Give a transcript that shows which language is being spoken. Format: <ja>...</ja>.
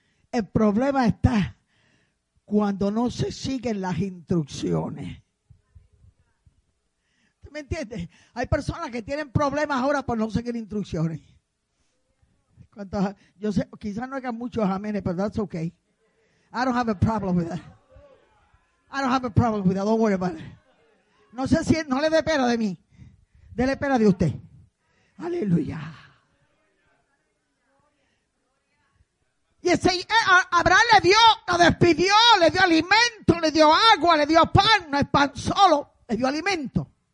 <es>El problema está cuando no se siguen las instrucciones. ¿Tú me entiendes? Hay personas que tienen problemas ahora por no seguir instrucciones. Yo sé, quizás no hagan muchos amenes, pero</es> <en>that's okay. I don't have a problem with that. I don't have a problem with that. Don't worry about it.</en> <es>No sé si, no le dé pena de mí. Dele pena de usted. Aleluya. Y ese, Abraham le dio, lo despidió, le dio alimento, le dio agua, le dio pan, no es pan solo, le dio alimento.</es>